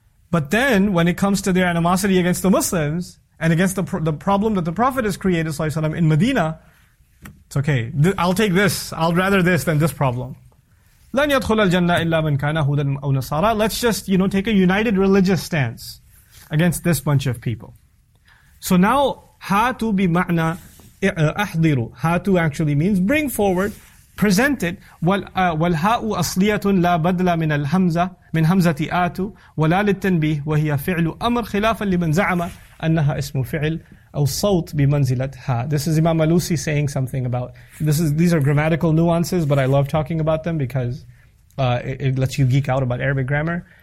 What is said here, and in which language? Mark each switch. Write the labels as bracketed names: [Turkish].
[English] But then, when it comes to their animosity against the Muslims, and against the problem that the Prophet has created, sallallahu alayhi wa sallam, in Medina, it's okay. I'll take this. I'll rather this than this problem. [Arabic] لَنْ يَدْخُلَ الْجَنَّةِ إِلَّا مَنْ كَانَ هُدًا أَوْ نَصَارَى. [English] Let's just, you know, take a united religious stance against this bunch of people. So now, [Arabic] هَاتُ بِمَعْنَى أَحْضِرُ. [English] هَاتُ actually means bring forward, present it. [Arabic] وَالْهَاءُ أَصْلِيَةٌ لَا بَدْلَ مِنَ الْهَمْزَةِ مِنْ هَمْزَةِ آتُ وَلَا لِلْتَنْبِيهِ وَهِيَ فِعْلُ أَمْرٍ خِلَافًا لِمَنْ زَعَمَ أَنَّهَا اسْمُ فِعْلٍ أَوْ صَوْتٍ بِمَنْزِلَةِ هَا. [English] This is Imam Alusi saying something about this. These are grammatical nuances, but I love talking about them because it lets you geek out about Arabic grammar.